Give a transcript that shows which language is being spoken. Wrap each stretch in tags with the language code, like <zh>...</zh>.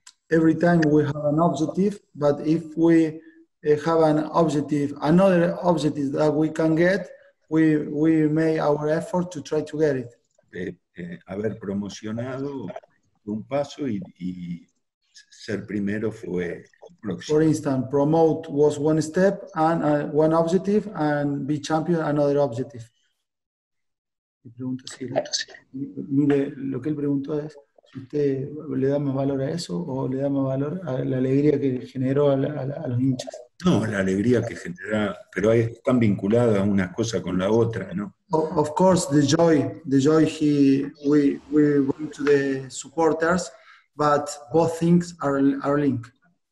<en>Every time we have an objective, but if we have an objective, another objective that we can get, we make our effort to try to get it.</en> <es>Haber promocionado un paso y ser primero fue el próximo.</es> <en>For instance, promote was one step and one objective, and be champion another objective.</en> <es>Me pregunto si mire, lo que él preguntó es si usted le da más valor a eso o le da más valor a la alegría que generó a los hinchas. No, la alegría que genera, pero están vinculadas una cosa con la otra, ¿no?</es> <en>Of course, the joy we bring to the supporters, but both things are linked.</en>